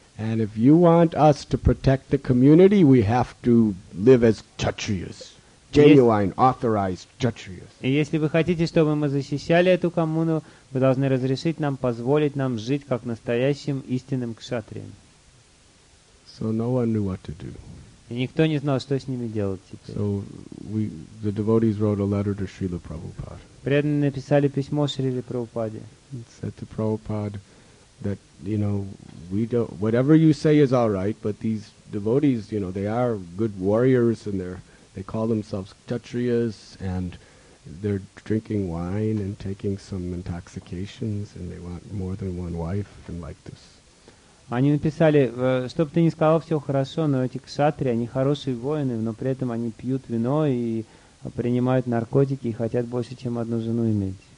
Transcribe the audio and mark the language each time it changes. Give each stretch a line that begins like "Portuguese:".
English: And if you want us to protect the community, we have to live as kshatriyas, genuine, authorized kshatriyas.
Russian: И если вы хотите, чтобы мы защищали эту коммуну, вы должны разрешить нам, позволить нам жить как настоящим истинным кшатриям.
English: So no one knew what to do.
Russian: И никто не знал, что с ними делать теперь.
English: So the devotees wrote a letter to Srila Prabhupada.
Russian: Преданные написали письмо Шриле Прабхупаде.
English: It said to Prabhupada that, you know, we don't, whatever you say is all right, but these devotees, you know, they are good warriors and they call themselves kshatriyas and they're drinking wine and taking some intoxications and they want more than one wife and like this.
Russian: Они написали, что бы ты ни сказал, все хорошо, но эти кшатри, они хорошие воины, но при этом они пьют вино и принимают наркотики и хотят больше, чем одну жену иметь.